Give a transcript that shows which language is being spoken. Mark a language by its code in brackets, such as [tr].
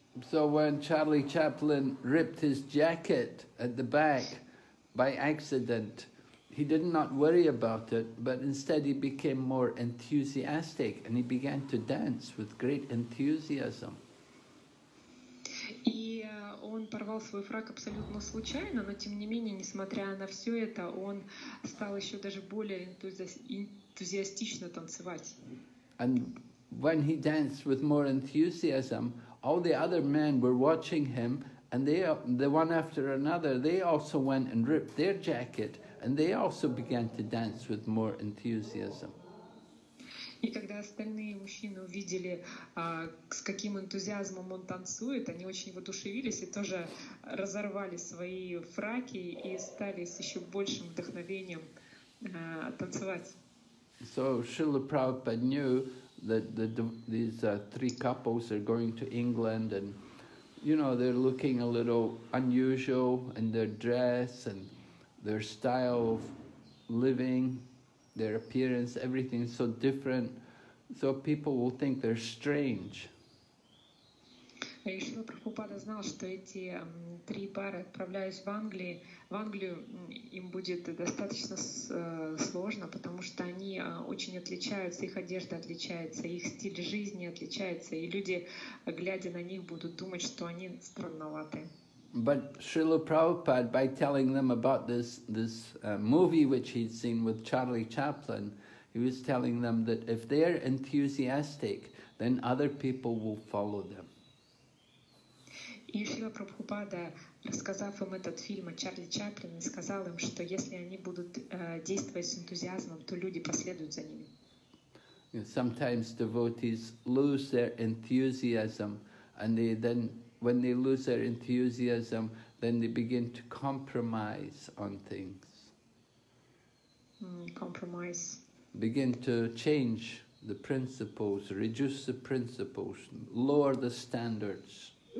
[en] So when Charlie Chaplin ripped his jacket at the back by accident, he did not worry about it, but instead he became more enthusiastic and he began to dance with great enthusiasm. [ru] И он порвал свой фраг абсолютно случайно, но тем не менее, несмотря на все это, он стал еще даже более энтузиастично танцевать. [en] And when he danced with more enthusiasm, all the other men were watching him, and they, the one after another, they also went and ripped their jacket, and they also began to dance with more enthusiasm. [ru] И когда остальные мужчины увидели, с каким энтузиазмом он танцует, они очень воодушевились и тоже разорвали свои фраки и стали с еще большим вдохновением танцевать. [en] So Srila Prabhupada knew that these three couples are going to England, and you know, they're looking a little unusual in their dress and their style of living, their appearance, everything is so different, so people will think they're strange. [ru] И Шрила Прабхупада знал, что эти три пары, отправляясь в Англию, им будет достаточно сложно, потому что они очень отличаются, их одежда отличается, их стиль жизни отличается, и люди, глядя на них, будут думать, что они странноваты. [en] But Srila Prabhupada, by telling them about this movie which he'd seen with Charlie Chaplin, he was telling them that if they're enthusiastic, then other people will follow them. [ru] И Шрила Прабхупада, рассказав им этот фильм о Чарли Чаплине, сказал им, что если они будут действовать с энтузиазмом, то люди последуют за ними. [en] Sometimes devotees lose their enthusiasm, and they then, when they lose their enthusiasm, then they begin to compromise on things. Compromise. Begin to change the principles, reduce the principles, lower the standards.